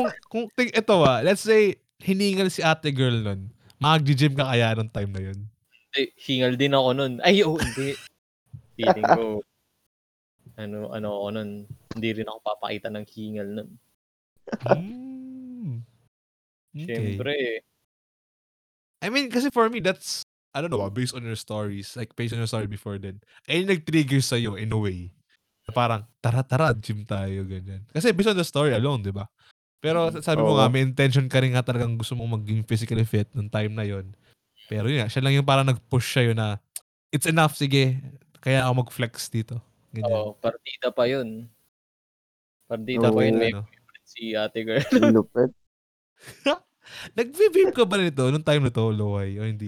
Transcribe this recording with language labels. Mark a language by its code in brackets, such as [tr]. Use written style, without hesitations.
[tl] kung tingin mo, [en] let's say, [tl] hiningal si ate girl nun, mag-gym ka kaya nung time na yun? Ay, hingal din ako nun. Ay, oh, hindi. Feeling ko, ano ako nun, hindi rin ako papakita ng hingal nun. Okay. Syempre, [en] I mean, kasi for me, that's, I don't know, based on your stories, like based on your story before then, [tl] ay nag-trigger sa'yo [en] in a way. [tl] Parang, tara, gym tayo, ganyan. [en] Kasi based on the story alone, di ba? [tl] Pero sabi mo nga, may intention ka rin nga talagang gusto mong maging physically fit nung time na yon. Pero yun nga, siya lang yung parang nag-push siya yun na, [en] it's enough, [tl] sige, kaya ako mag-flex dito. Oo, partida pa yun. Partida pa yun, may favorite si ate girl. Lupet. Nag-vibe ka ba nito nung time na to, Loay, o hindi?